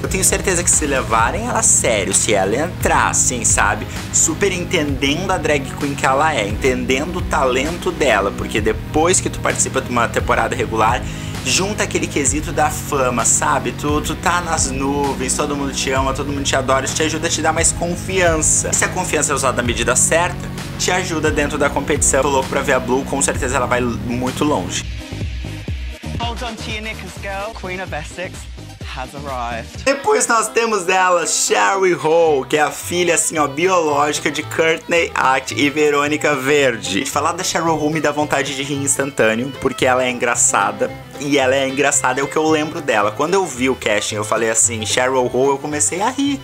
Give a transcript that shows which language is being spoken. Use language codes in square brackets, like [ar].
[pt] Eu tenho certeza que se levarem ela a sério, se ela entrar assim, sabe, super entendendo a drag queen que ela é, entendendo o talento dela, porque depois que tu participa de uma temporada regular, junta aquele quesito da fama, sabe? Tu tá nas nuvens, todo mundo te ama, todo mundo te adora, isso te ajuda a te dar mais confiança. E se a confiança é usada na medida certa, te ajuda dentro da competição. Tô louco pra ver a Blue, com certeza ela vai muito longe. [en] Hold on to your knickers, girl. Queen of Essex has arrived. [pt] Depois nós temos ela, Sherry Hole, que é a filha, assim, ó, biológica de Courtney Act e Verônica Verde. Falar da Sherry Hole me dá vontade de rir instantâneo, porque ela é engraçada. E ela é engraçada, é o que eu lembro dela. Quando eu vi o casting, eu falei assim, Cheryl Ho, eu comecei a rir.